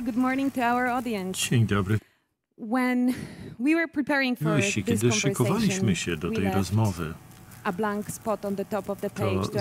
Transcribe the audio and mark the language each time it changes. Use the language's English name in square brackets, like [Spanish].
[English] Good morning to our audience. [Polish] Dzień dobry. [English] When we were preparing for this conversation, [Polish] kiedy szykowaliśmy się do tej rozmowy, [English] a blank spot on the top of the page to